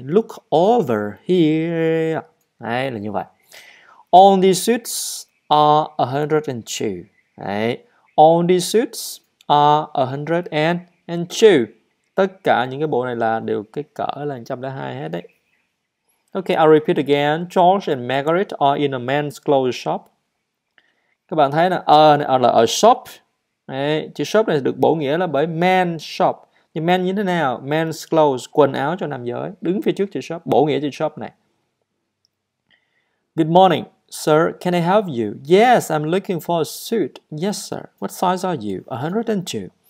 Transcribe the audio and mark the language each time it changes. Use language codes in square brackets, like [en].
[en] Look over here. [vi] Đấy, là như vậy. [en] All these suits are 102. Đấy. All these suits are 102. [vi] Tất cả những cái bộ này là đều cái cỡ là 102 hết đấy. [en] Okay, I'll repeat again. George and Margaret are in a men's clothes shop. [vi] Các bạn thấy là là a shop. Đấy, chữ shop này được bổ nghĩa là bởi men's shop. Nhưng men như thế nào? Men's clothes, quần áo cho nam giới. Đứng phía trước chữ shop, bổ nghĩa chữ shop này. [en] Good morning, sir. Can I help you? Yes, I'm looking for a suit. Yes, sir. What size are you? 102.